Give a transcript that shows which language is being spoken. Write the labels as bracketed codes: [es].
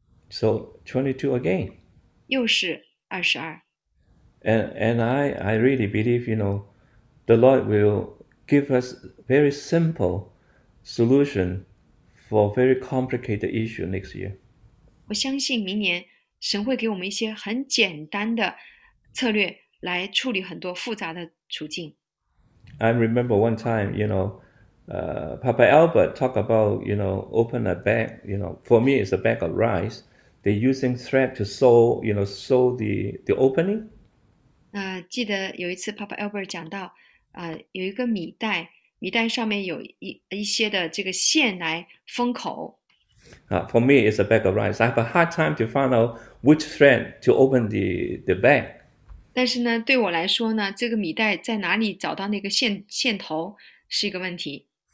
[en] So 22 again. [zh] 又是22。 [en] And I really believe, the Lord will give us very simple solution for very complicated issue next year. [zh] 我相信明年神会给我们一些很简单的策略来处理很多复杂的处境。 [en] I remember one time, Papa Albert talk about, open a bag, for me it's a bag of rice. They're using thread to sew, sew the opening. [zh] 记得有一次 Papa Albert 讲到，有一个米袋，米袋上面有一些的这个线来封口。 [en] For me, it's a bag of rice. I have a hard time to find out which thread to open the bag. [zh] 但是呢，对我来说呢，这个米袋在哪里找到那个线头是一个问题。